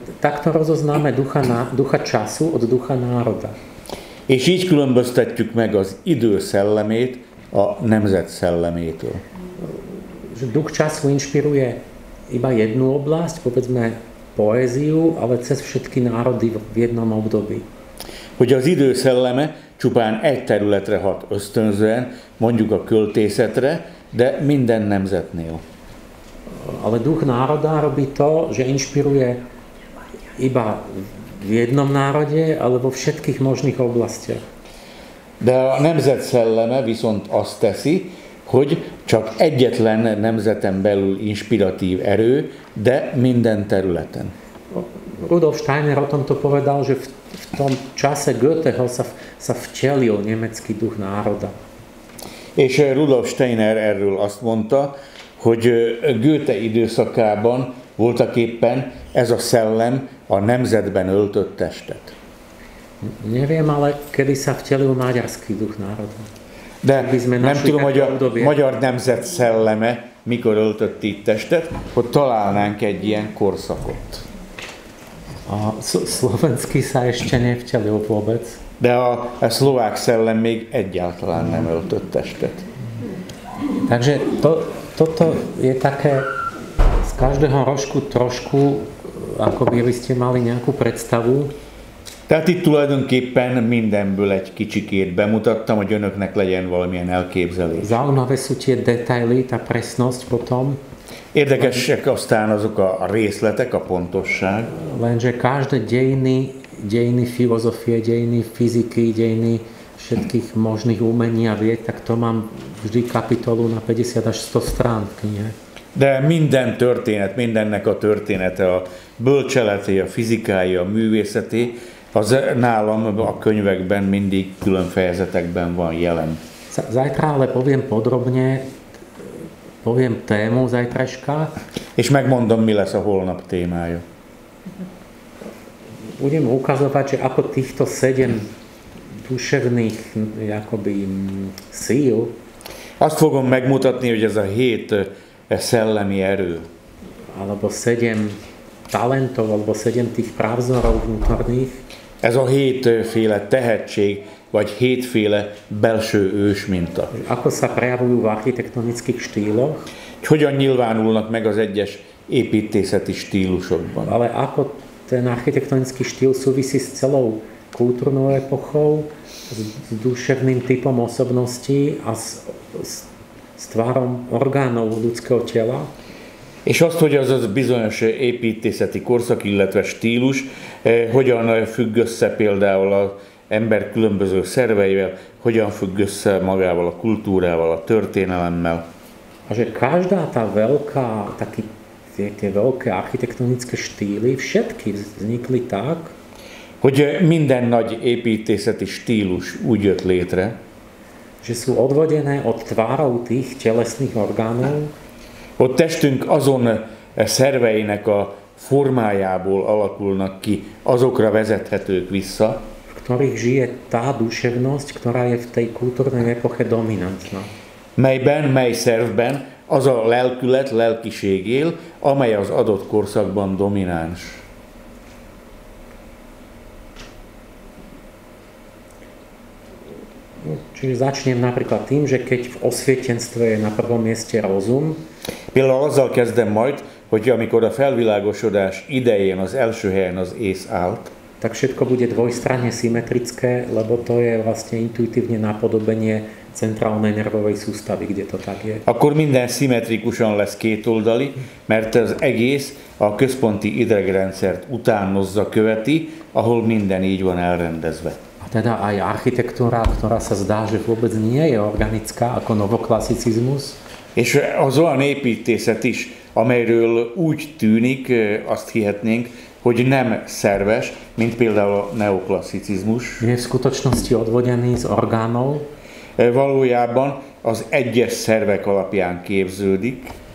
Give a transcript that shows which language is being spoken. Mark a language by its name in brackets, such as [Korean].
[Slovak] Takto rozoznáme ducha času od ducha národa. [Hungarian] És így különböztetjük meg az idő szellemét a nemzet szellemétől. [Slovak] Duch času inspiruje iba jednu oblasť, povedzme poéziu, ale cez všetky národy v jednom období. [Hungarian] hogy az idő szelleme csupán egy területre hat ösztönzően, mondjuk a költészetre, de minden nemzetnél. [Slovak] Ale duch národa robí to, že inšpiruje iba v jednom národe, ale vo všetkých možných oblastiach. [Hungarian] De a nemzet szelleme viszont azt teszi, hogy csak egyetlen nemzeten belül inspiratív erő, de minden területen. [Slovak] Rudolf Steiner o tomto povedal, že v tom čase Goetheho sa vtelil nemecký duch národa. [Hungarian] És Rudolf Steiner erről azt mondta, hogy Goethe időszakában voltak éppen ez a szellem a nemzetben öltött testet. [Slovak] Neviem, ale kedy sa vtelil maďarský duch národa. [Hungarian] De nem tudom, hogy a magyar nemzet szelleme mikor öltött itt testet, hogy találnánk egy ilyen korszakot. [Slovak] A slovenský sa ešte nevtelil vôbec. [Hungarian] De a szlovák szellem még egyáltalán nem öltött testet. [Slovak] Takže toto je také z každého rožku trošku, ako by ste mali nejakú predstavu. [Hungarian] Tehát itt tulajdonképpen mindenből egy kicsikét bemutattam, hogy önöknek legyen valamilyen elképzelés. [Slovak] Zaujímavé sú tie detaily, tá presnosť potom. [Hungarian] Érdekesek aztán azok a részletek, a pontosság. [Slovak] Lenže každé dejiny filozofie, dejiny fyziky, dejiny všetkých možných umení a vied, tak to mám vždy kapitolu na 50 až 100 strán v knihe. [Hungarian] De minden történet, mindennek a története, a bölcseleti, a fizikai, a művészeti, az nálam a könyvekben mindig külön fejezetekben van jelen. [Slovak] Zajtra ale poviem podrobne, poviem tému zajtreška. [Hungarian] És megmondom, mi lesz a holnap témája. [Slovak] Budem ukazovať, že ako týchto 7 duševných jakoby síl. [Hungarian] Azt fogom megmutatni, hogy ez a 7 szellemi erő. [Slovak] Alebo 7 talentov, alebo 7 tých právzorov vnútorných. [Hungarian] Ez a 7-féle tehetség, vagy 7-féle belső ősminta. [Slovak] Ako sa prejavujú v architektonických stíloch? [Hungarian] Hogyan nyilvánulnak meg az egyes építészeti stílusokban? [Slovak] Ale ako ten architektonický štýl súvisí s celou kultúrnou epochou, s duševným typom osobnosti a s tvárom orgánov ľudského tela? [Hungarian] És azt, hogy az az bizonyos építészeti korszak, illetve stílus, hogyan függ össze például az ember különböző szerveivel, hogyan függ össze magával, a kultúrával, a történelemmel. [Slovak] A že každá tá veľká, taky tie veľké architektonické štíly, všetky vznikli tak, [Hungarian] hogy minden nagy építészeti stílus úgy jött létre, [Slovak] že sú odvodené od tvárov tých telesných orgánov, [Hungarian] a testünk azon szerveinek a formájából alakulnak ki, azokra vezethetők vissza, [Slovak] v ktorých žije tá duševnosť, ktorá je v tej kultúrnej epoche dominantná. [Hungarian] Melyben, mely szervben az a lelkület, lelkiség él, amely az adott korszakban domináns. [Slovak] Čiže začnem napríklad tým, že keď v osvietenstve je na prvom mieste rozum. [Hungarian] Például azzal kezdem majd, hogy amikor a felvilágosodás idején az első helyen az ész állt. [Slovak] Tak všetko bude dvojstranne symetrické, lebo to je vlastne intuitívne napodobenie centrálnej nervovej sústavy, kde to tak je. [Hungarian] Akkor minden szimmetrikusan lesz kétoldali, mert az egész a központi idegrendszert utánozza, követi, ahol minden így van elrendezve. [Slovak] Teda aj architektúra, ktorá sa zdá, že vôbec nie je organická, ako novoklasicizmus. [Hungarian] És az olyan építészet is, amelyről úgy tűnik, azt hihetnénk, hogy nem szerves, mint például a neoklasicizmus. [Slovak] Je v skutočnosti odvodený z orgánov. [Hungarian] Valójában az egyes szervek alapján képződik.